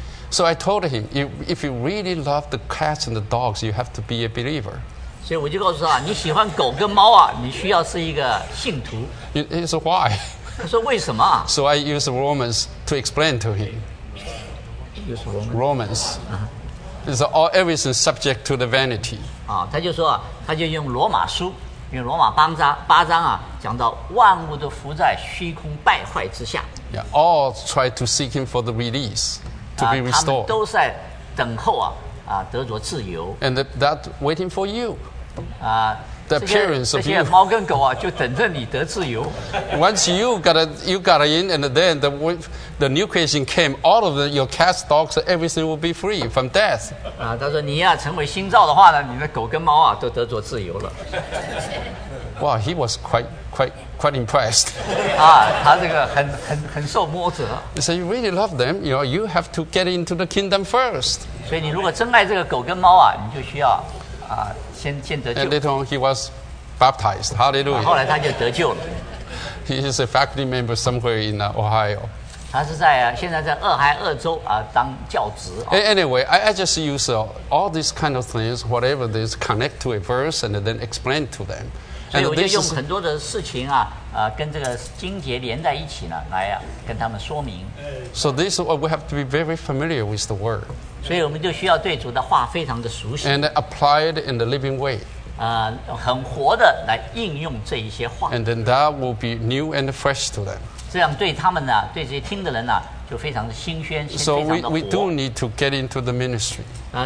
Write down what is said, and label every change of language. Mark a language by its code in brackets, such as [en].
[en] So I told him if you really love the cats and the dogs you have to be a believer [zh] 所以我就告诉他你喜欢狗跟猫啊你需要是一个信徒 [en] He said why [zh] 他说为什么 [en] So I used Romans to explain to him Romans It's all everything subject to the vanity [zh] 他就说他就用罗马书因为罗马八章啊，讲到万物都浮在虚空败坏之下。 [en] Yeah, all try to seek him for the release to be restored. [zh] 他们都在等候啊啊得着自由。 [en] And that waiting for you. The appearance of you. [zh] 这些猫跟狗啊，就等着你得自由。 [en] Once you got in, and then the new creation came. All of your cats, dogs, everything will be free from death. [zh] 他说你要成为新造的话呢，你的狗跟猫啊都得着自由了。 [en] Wow, he was quite impressed. [zh] 他这个很受摸折。 [en] He said, "You really love them. You know, you have to get into the kingdom first." [zh] 所以你如果真爱这个狗跟猫啊，你就需要先得救。 [en] And later on, he was baptized. Hallelujah. [zh] 后来他就得救了。 [en] He is a faculty member somewhere in Ohio. [zh] 他是在现在在俄亥俄州当教职。 [en] Anyway, I just use all these kind of things, whatever this connect to a verse and then explain to them. [zh] 所以我就用很多的事情啊，跟这个经节连在一起呢，来跟他们说明。 [en] So this we have to be very familiar with the word. [zh] 所以我们就需要对主的话非常的熟悉。 [en] And apply it in the living way. [zh] 很活的来应用这一些话。 [en] And then that will be new and fresh to them. [zh] 这样对他们呢，对这些听的人呢，就非常的新鲜，非常的活。 [en] So we do need to get into the ministry.